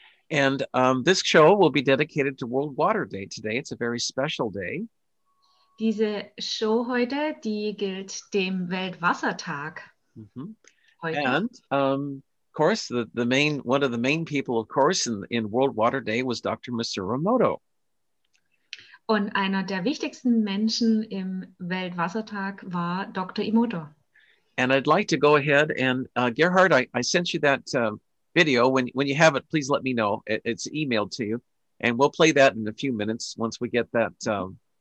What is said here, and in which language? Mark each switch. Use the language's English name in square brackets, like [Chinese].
[English] And this show will be dedicated to World Water Day today. It's a very special day. [German] Diese Show heute, die gilt dem Weltwassertag. Mm-hmm. [English] And of course, one of the main people, of course, in World Water Day was Dr. Masaru Emoto. [German] Und einer der wichtigsten Menschen im Weltwassertag war Dr. Emoto. [English] And I'd like to go ahead and Gerhard, I sent you that video. When you have it, please let me know. It's emailed to you, and we'll play that in a few minutes once we get that.